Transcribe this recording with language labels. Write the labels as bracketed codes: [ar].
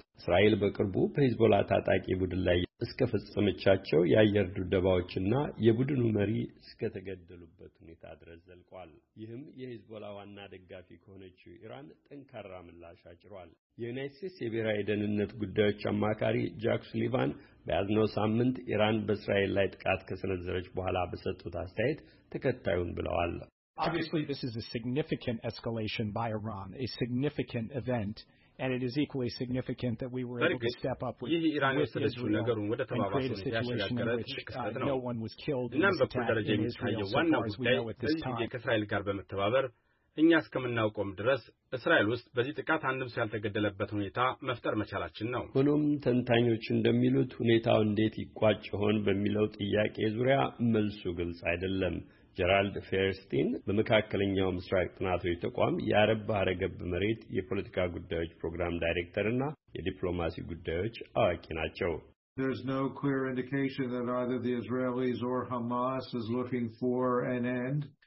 [am] እስራኤል በቅርቡ በሂዝቦላ ታጣቂ ቡድን ላይ እስከፈጸመቻቸው የአየር ድብደባዎችና የቡድኑ መሪ እስከተገደሉበት ሁኔታ ድረስ ዘልቋል። ይህም የሂዝቦላ ዋና ደጋፊ ከሆነችው ኢራን ጠንካራ ምላሽ አጭሯል። የዩናይትድ ስቴትስ የብሔራዊ ደህንነት ጉዳዮች አማካሪ ጃክ ሱሊቫን በያዝነው ሳምንት ኢራን በእስራኤል ላይ ጥቃት ከሰነዘረች በኋላ በሰጡት አስተያየት ተከታዩን ብለዋል። [en] Obviously this is a significant escalation by Iran, a significant event. And it is equally significant that we were able to step up with Israel and create a situation in which no one was killed in this attack in Israel, so far as we know at this time. [am] ከእስራኤል ጋር በመተባበር እኛ እስከምናውቀው ድረስ እስራኤል ውስጥ በዚህ ጥቃት አንድም ሰው ያልተገደለበት ሁኔታ መፍጠር መቻላችን ነው። ሁሉም ተንታኞች እንደሚሉት ሁኔታው እንዴት ይቋጭ ይሆን በሚለው ጥያቄ ዙሪያ መልሱ ግልጽ አይደለም። ጀራልድ ፌርስቲን በመካከለኛው ምስራቅ ጥናቶች ተቋም የአረብ ሀገረ ገብ መሬት የፖለቲካ ጉዳዮች ፕሮግራም ዳይሬክተርና የዲፕሎማሲ ጉዳዮች አዋቂ ናቸው። [en] There's no clear indication that either the Israelis or Hamas is looking for an end.